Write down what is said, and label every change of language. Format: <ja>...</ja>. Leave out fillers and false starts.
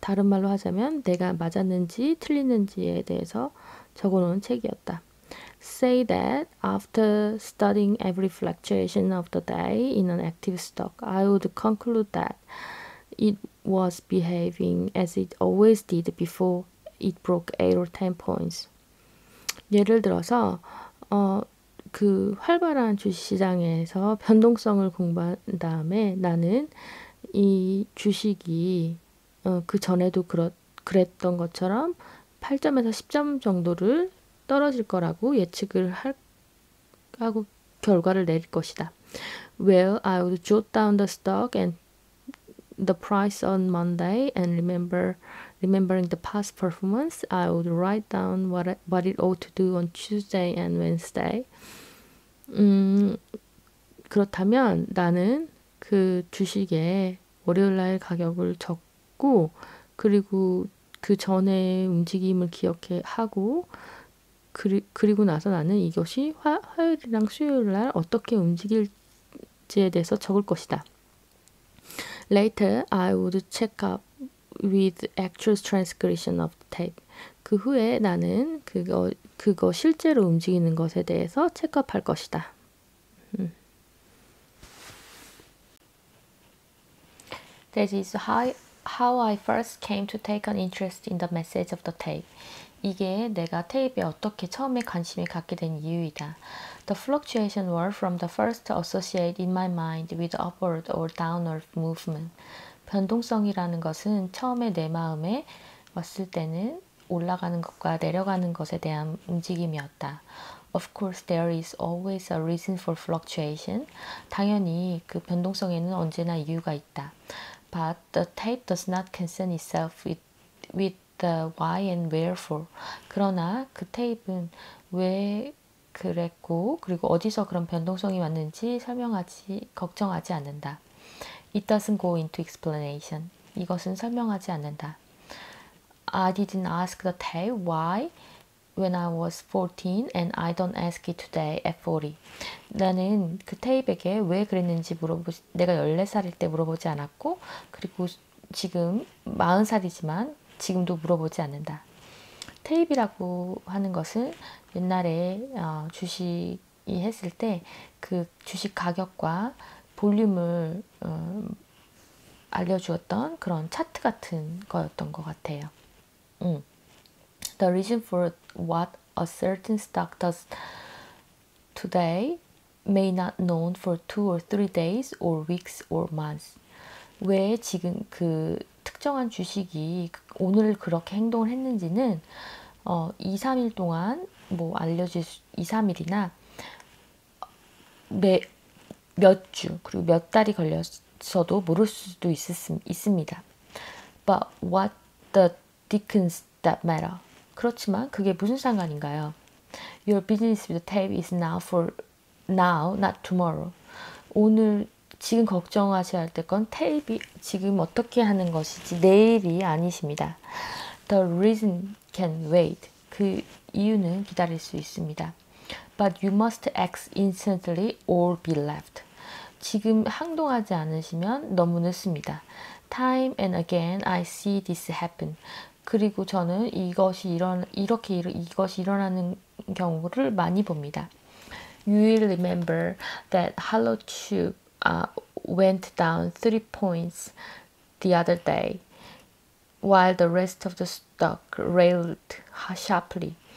<ko>다른 말로 하자면 내가 맞았는지 틀리는지에 대해서 적어놓은 책이었다.</ko> <en>Say that after studying every fluctuation of the day in an active stock, I would conclude that it was behaving as it always did before it broke 8 or 10 points.</en> <ko>예를 들어서 그 활발한 주식시장에서 변동성을 공부한 다음에 나는 이 주식이 그 전에도 그랬던 것처럼 8점에서 10점 정도를 떨어질 거라고 예측을 하고 결과를 내릴 것이다.</ko> <en>Well, I would jot down the stock and the price on Monday and remembering the past performance, I would write down what it ought to do on Tuesday and Wednesday.</en> <ko>그렇다면 나는 그 주식에 월요일날 가격을 적고 그리고 그 전에 움직임을 기억해 하고 그리고 나서 나는 이것이 화요일이랑 수요일날 어떻게 움직일지에 대해서 적을 것이다.</ko> <en>Later, I would check up with actual transcription of the tape.</en> <ko>그 후에 나는 그거 실제로 움직이는 것에 대해서 체크업할 것이다.</ko> <en>This is how I first came to take an interest in the message of the tape.</en> <ko>이게 내가 테이프에 어떻게 처음에 관심을 갖게 된 이유이다.</ko> <en>The fluctuations were from the first associated in my mind with upward or downward movement.</en> <ko>변동성이라는 것은 처음에 내 마음에 왔을 때는 올라가는 것과 내려가는 것에 대한 움직임이었다.</ko> <en>Of course, there is always a reason for fluctuation.</en> <ko>당연히 그 변동성에는 언제나 이유가 있다.</ko> <en>But the tape does not concern itself with the why and wherefore.</en> <ko>그러나 그 테이프는 왜 그랬고 그리고 어디서 그런 변동성이 왔는지 설명하지 걱정하지 않는다.</ko> <en>It doesn't go into explanation.</en> <ko>이것은 설명하지 않는다.</ko> <en>I didn't ask the tail why when I was 14 and I don't ask it today at 40.</en> <ko>나는 그 테이프에게 왜 그랬는지 물어보지, 내가 14살일 때 물어보지 않았고, 그리고 지금 40살이지만 지금도 물어보지 않는다. 테이프라고 하는 것은 옛날에 주식이 했을 때그 주식 가격과 볼륨을 알려주었던 그런 차트 같은 거였던 것 같아요.</ko> <en>The reason for what a certain stock does today may not known for 2 or 3 days or weeks or months.</en> <ko>왜 지금 그 특정한 주식이 오늘 그렇게 행동을 했는지는 2, 3일 동안 뭐 알려질 수, 2, 3일이나 매몇 주, 그리고 몇 달이 걸려서도 모를 수도 있습니다.</ko> <en>But what the dickens that matter?</en> <ko>그렇지만 그게 무슨 상관인가요?</ko> <en>Your business with the tape is now for now, not tomorrow.</en> <ko>오늘, 지금 걱정하셔야 할 건, 테이프 지금 어떻게 하는 것이지, 내일이 아니십니다.</ko> <en>The reason can wait.</en> <ko>그 이유는 기다릴 수 있습니다.</ko> <en>But you must act instantly or be left.</en> <ko>지금 행동하지 않으시면 너무 늦습니다.</ko> <en>Time and again I see this happen.</en> <ko>그리고 저는 이것이 일어나는 경우를 많이 봅니다.</ko> <en>You will remember that Hollow Tube went down 3 points the other day while the rest of the stock rallied sharply.</en>